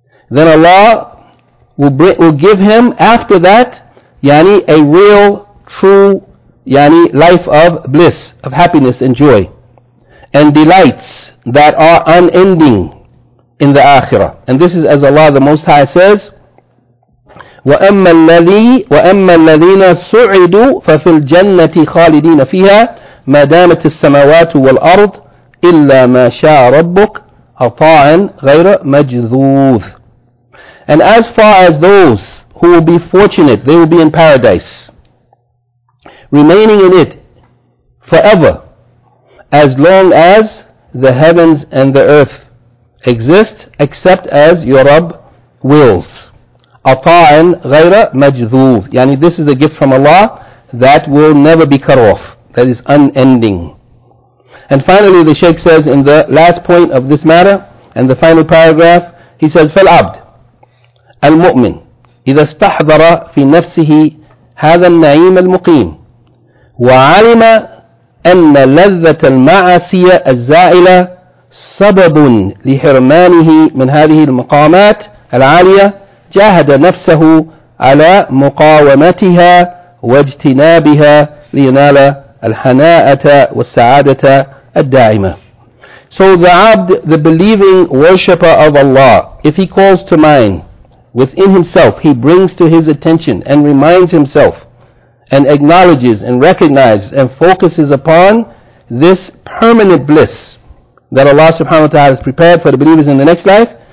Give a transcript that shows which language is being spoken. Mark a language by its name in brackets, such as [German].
[English] Then Allah will give him after that, yani, a real, true, yani, life of bliss, of happiness and joy, and delights that are unending in the Akhirah. And this is as Allah the Most High says, [Arabic] وَأَمَّا الَّذِينَ سُعِدُوا فَفِي الْجَنَّةِ خَالِدِينَ فِيهَا مَا دَامَتِ السَّمَوَاتُ وَالْأَرْضُ إِلَّا مَا شَاءَ رَبُّكَ عَطَاءً غَيْرَ مَجْذُوذٍ. [English] And as far as those who will be fortunate, they will be in paradise, remaining in it forever, as long as the heavens and the earth exist, except as your Rabb wills. [Arabic] Ata'an ghayra majdhuv. [English] Yani, this is a gift from Allah that will never be cut off. That is unending. And finally, the Shaykh says in the last point of this matter, and the final paragraph, he says, فالعبد [Arabic] المؤمن إذا استحضر في نفسه هذا النعيم المقيم وعلم أن لذة المعاصي الزائلة سبب لحرمانه من هذه المقامات العالية جاهد نفسه على مقاومتها واجتنابها لينال الحناءة والسعادة الدائمة. [English] So the abd, the believing worshipper of Allah, if he calls to mind within himself, he brings to his attention and reminds himself and acknowledges and recognizes and focuses upon this permanent bliss that Allah subhanahu wa ta'ala has prepared for the believers in the next life.